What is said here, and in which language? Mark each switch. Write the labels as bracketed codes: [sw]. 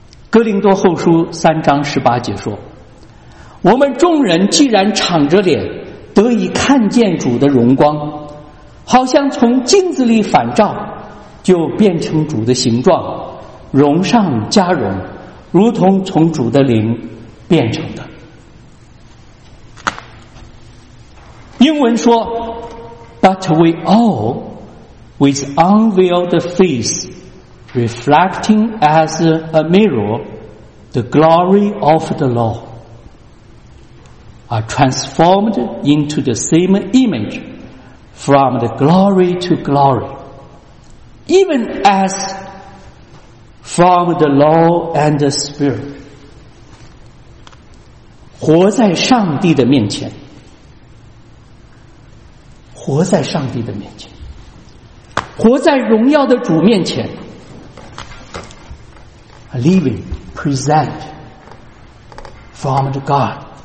[zh] 哥林多后书3:18说，我们众人既然敞着脸得以看见主的荣光，好像从镜子里反照，就变成主的形状，荣上加荣，如同从主的灵变成的。英文说 [en] But we all with unveiled face reflecting as a mirror the glory of the Lord are transformed into the same image from the glory to glory, even as from the Lord and the Spirit. [zh] 活在上帝的面前，活在上帝的面前，活在荣耀的主面前。 [en] Living, present from the God.